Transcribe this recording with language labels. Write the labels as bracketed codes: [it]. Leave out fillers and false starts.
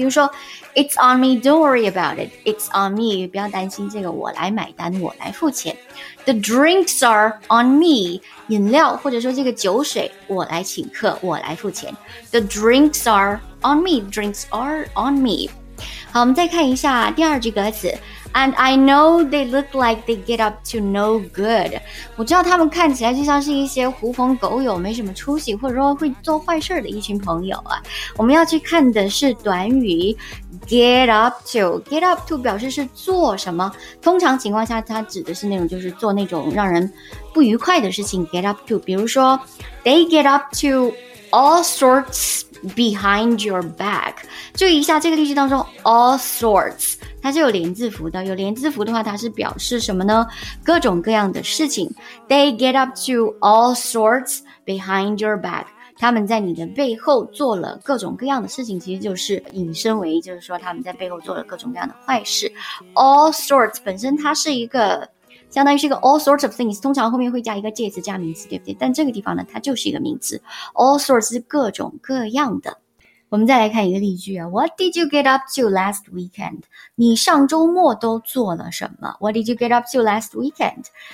[en] 比如说 It's on me, don't worry about it. It's on me， [zh] 不要担心这个，我来买单，我来付钱。 [en] The drinks are on me， [zh] 饮料或者说这个酒水我来请客，我来付钱。 [en] The drinks are on me， drinks are on me。 [zh] 好，我们再看一下第二句歌词。 [en] And I know they look like they get up to no good. [zh] 我知道他们看起来就像是一些狐朋狗友，没什么出息，或者说会做坏事的一群朋友啊。我们要去看的是短语 get up to. Get up to 表示是做什么，通常情况下它指的是那种就是做那种让人不愉快的事情。 [en] Get up to， [zh] 比如说 [en] they get up to all sorts behind your back. [zh] 注意一下这个例句当中 all sorts。它是有连字符的，有连字符的话它是表示什么呢？各种各样的事情。 [en] They get up to all sorts behind your back， [zh] 他们在你的背后做了各种各样的事情，其实就是引申为就是说他们在背后做了各种各样的坏事。 All sorts 本身它是一个相当于是一个 all sorts of things， 通常后面会加一个介词加名词，对不对？但这个地方呢它就是一个名词， all sorts 是各种各样的。我们再来看一个例句啊。 [en] What did you get up to last weekend? [zh] 你上周末都做了什么？ [en] What did you get up to last weekend?